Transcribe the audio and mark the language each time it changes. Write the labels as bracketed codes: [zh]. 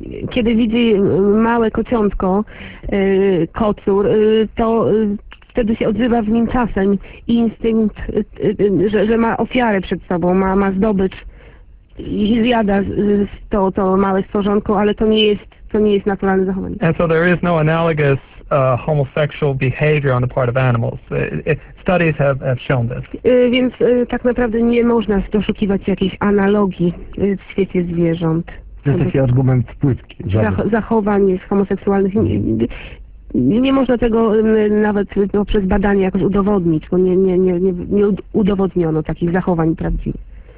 [pl] Kiedy widzi małe kociątko, kocur, to wtedy się odzywa w nim czasem instynkt, że ma ofiarę przed sobą, ma zdobycz i zjada to małe stworzonko, ale to nie jest naturalne zachowanie. [en] And so there is no analogous homosexual behavior on the part of animals. Studies have shown this. [pl] Więc tak naprawdę nie można doszukiwać jakiejś analogii w świecie zwierząt. To jest taki argument płytki. Zachowań homoseksualnych. Nie można tego nawet poprzez badanie jakoś udowodnić, bo nie udowodniono takich zachowań prawdziwych.